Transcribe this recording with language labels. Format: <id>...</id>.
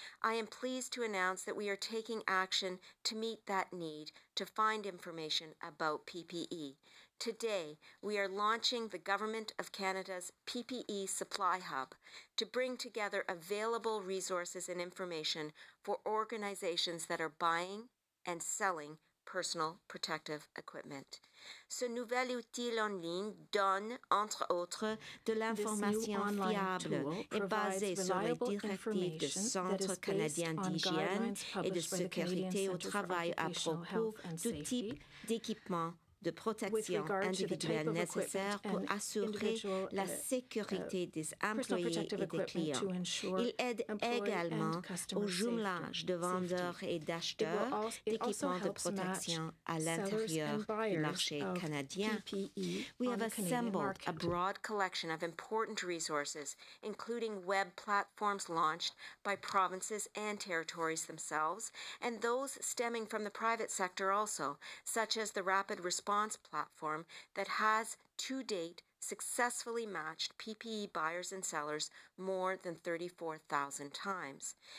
<en>I am pleased to announce that we are taking action to meet that need to find information about PPE. Today, we are launching the Government of Canada's PPE Supply Hub to bring together available resources and information for organizations that are buying and selling personal protective equipment.</en> <fr>Ce nouvel outil en ligne donne, entre autres, de l'information fiable et basée sur les directives du Centre canadien d'hygiène et de sécurité au travail à propos du type d'équipement de protection individuelle nécessaire pour assurer la sécurité des employés et des clients. Il aide également au jumelage de vendeurs et d'acheteurs d'équipements de protection à l'intérieur du marché canadien.</fr> <en>We have assembled a broad collection of important resources, including web platforms launched by provinces and territories themselves, and those stemming from the private sector also, such as the Rapid Response platform that has to date successfully matched PPE buyers and sellers more than 34,000 times.</en>